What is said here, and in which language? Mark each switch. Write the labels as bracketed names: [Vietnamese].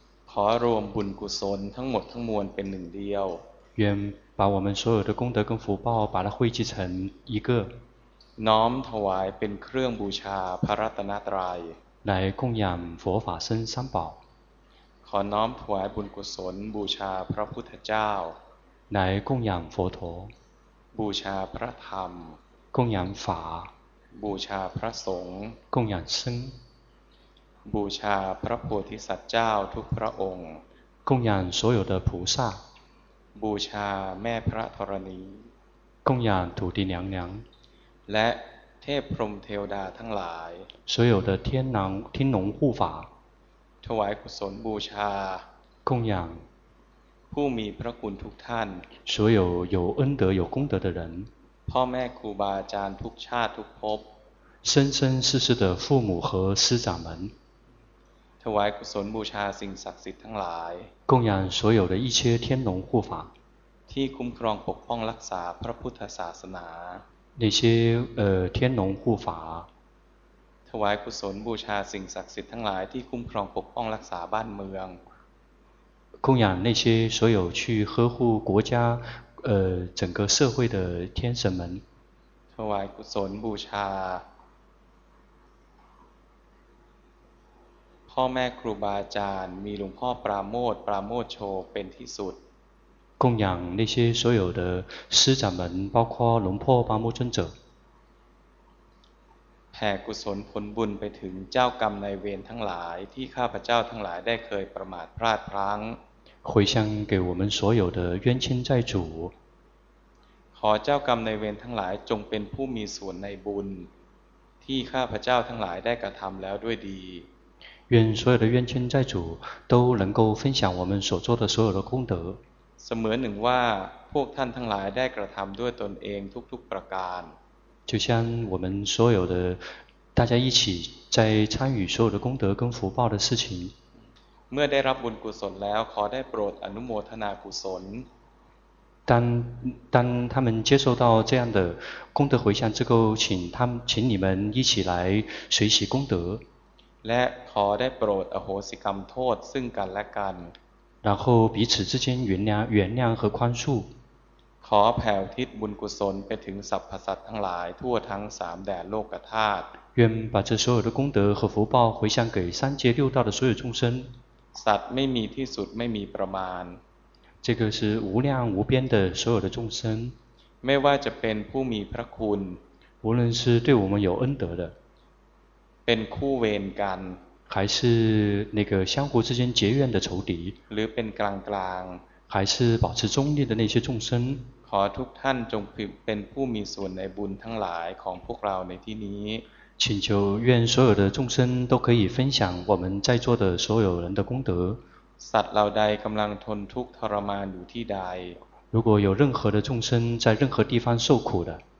[Thai] ขอรวมบุญกุศลทั้งหมดทั้งมวลเป็นหนึ่งเดียว [Chinese] 愿把我们所有的功德跟福报把它汇集成一个 [Thai] น้อมถวายเป็นเครื่องบูชาพระรัตนตรัย [Chinese] 来供养佛法僧三宝 [Thai] ขอน้อมถวายบุญกุศลบูชาพระพุทธเจ้า [Chinese] 乃供养佛陀 [Thai] บูชาพระธรรม [Chinese] 供养法 [Thai] บูชาพระสงฆ์ [Chinese] 供养僧 [Thai] บูชาพระโพธิสัตว์เจ้าทุกพระองค์ [Chinese] 供养所有的菩萨 [Thai] บูชาแม่พระธรณี [Chinese] 供养土地娘娘 [Thai] และเทพพรหมเทวดาทั้งหลาย [Chinese] 所有的天狼天龙护法 [Thai] ถวายกุศลบูชา [Chinese] 供养 [Thai] ผู้มีพระคุณทุกท่าน [Chinese] 所有有恩德有功德的人 [Thai] พ่อแม่ครูบาอาจารย์ทุกชาติทุกภพ [Chinese] 生生世世的父母和师长们 [Thai] ถวายกุศลบูชาสิ่งศักดิ์สิทธิ์ทั้งหลาย [Chinese] 供养所有的一切天龙护法 [Thai] ที่คุ้มครองปกป้องรักษาพระพุทธศาสนา [Chinese] 那些天龙护法 [Thai] ถวายกุศลบูชาสิ่งศักดิ์สิทธิ์ทั้งหลายที่คุ้มครองปกป้องรักษาบ้านเมือง [Chinese] 供养那些所有去呵护国家整个社会的天神们 [Thai] ถวายกุศลบูชาพ่อแม่ครูบาอาจารย์มีหลวงพ่อปราโมทปราโมทโชเป็นที่สุด [Chinese] 供养那些所有的师长们包括หลวงพ่อปราโมทเจ้า [Thai] แผ่กุศลผลบุญไปถึงเจ้ากรรมนายเวรทั้งหลายที่ข้าพเจ้าทั้งหลายได้เคยประมาทพลาดพลั้ง [Chinese] 回向给我们所有的冤亲债主 [Thai] ขอเจ้ากรรมนายเวรทั้งหลายจงเป็นผู้มีส่วนในบุญที่ข้าพเจ้าทั้งหลายได้กระทำแล้วด้วยดี [Chinese] 愿所有的冤亲债主都能够分享我们所做的所有的功德 [Thai] เสมือนหนึ่งว่าพวกท่านทั้งหลายได้กระทำด้วยตนเองทุกๆประการ [Chinese] 就像我们所有的大家一起在参与所有的功德跟福报的事情 [Thai] เมื่อได้รับบุญกุศลแล้วขอได้โปรดอนุโมทนากุศล [Chinese] 当他们接受到这样的功德回向之后请你们一起来随喜功德 [Thai] และขอได้โปรดอโหสิกรรมโทษซึ่งกันและกัน [Chinese] 然后彼此之间原谅和宽恕 [Thai] ขอแผ่อุทิศบุญกุศลไปถึงสรรพสัตว์ทั้งหลายทั่วทั้งสามแดนโลกธาตุ [Chinese] 愿把这所有的功德和福报回向给三界六道的所有众生 [Thai] สัตว์ไม่มีที่สุดไม่มีประมาณ [Chinese] 这个是无量无边的所有的众生 [Thai] ไม่ว่าจะเป็นผู้มีพระคุณ [Chinese] 无论是对我们有恩德的 [Thai] เป็นคู่เวรกัน [Chinese] 还是那个相互之间结怨的仇敌 [Thai] หรือเป็นกลางกลาง [Chinese] 还是保持中立的那些众生 [Thai] ขอทุกท่านจงเป็นผู้มีส่วนในบุญทั้งหลายของพวกเราในที่นี้ [Chinese] 请求愿所有的众生都可以分享我们在座的所有人的功德 [Thai] สัตว์เหล่าใดกำลังทนทุกข์ทรมานอยู่ที่ใด [Chinese] 如果有任何的众生在任何地方受苦的